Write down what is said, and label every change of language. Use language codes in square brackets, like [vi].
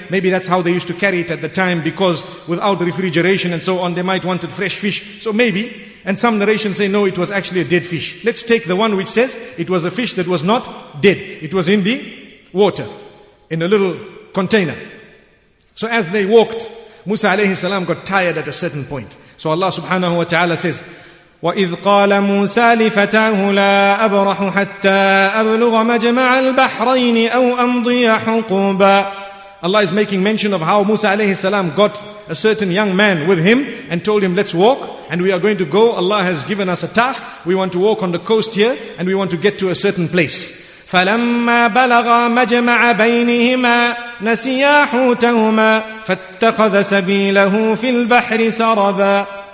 [en] Maybe that's how they used to carry it at the time, because without refrigeration and so on, they might wanted fresh fish. So maybe. And some narrations say, no, it was actually a dead fish. Let's take the one which says it was a fish that was not dead. It was in the water, in a little container. So as they walked, Musa alayhi salam got tired at a certain point. So Allah subhanahu wa ta'ala says, [ar] وَإِذْ قَالَ مُوسَى لِفَتَاهُ لَا أَبْرَحُ حَتَّى أَبْلُغَ مَجْمَعَ الْبَحْرَيْنِ أَوْ أَمْضِيَ حُقُوبًا. [en] Allah is making mention of how Musa alayhi salam got a certain young man with him and told him, let's walk, and we are going to go. Allah has given us a task. We want to walk on the coast here, and we want to get to a certain place. [ar] فَلَمَّا بَلَغَ مَجْمَعَ بَيْنِهِمَا نَسِيَا حُوتَهُمَا فَاتَّخَذَ سَبِيلَهُ فِي الْبَحْرِ سَرَبًا.